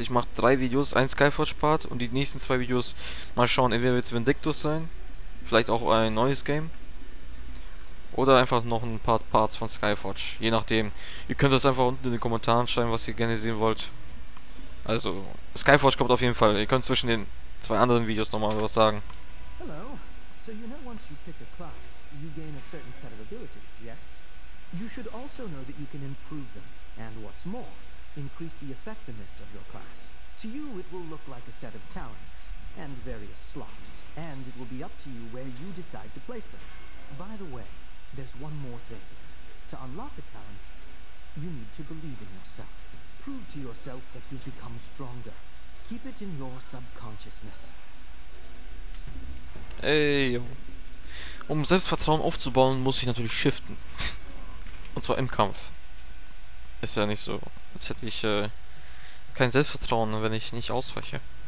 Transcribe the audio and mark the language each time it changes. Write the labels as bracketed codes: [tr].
[de] Ich mache 3 Videos, 1 Skyforge-Part und die nächsten 2 Videos mal schauen, entweder wird es Vindictus sein, vielleicht auch ein neues Game oder einfach noch ein paar Parts von Skyforge, je nachdem. Ihr könnt das einfach unten in den Kommentaren schreiben, was ihr gerne sehen wollt. Also Skyforge kommt auf jeden Fall. Ihr könnt zwischen den 2 anderen Videos nochmal was sagen. [en] Hello. So you know once you pick a class, you gain a certain set of abilities, yes? You should also know that you can improve them, and what's more, increase the effectiveness of your class. To you it will look like a set of talents, and various slots, and it will be up to you where you decide to place them. By the way, there's one more thing. To unlock a talent, you need to believe in yourself. Prove to yourself that you've become stronger. Keep it in your subconsciousness. [de] Ey, um Selbstvertrauen aufzubauen, muss ich natürlich shiften. Und zwar im Kampf. Ist ja nicht so, als hätte ich kein Selbstvertrauen, wenn ich nicht ausweiche.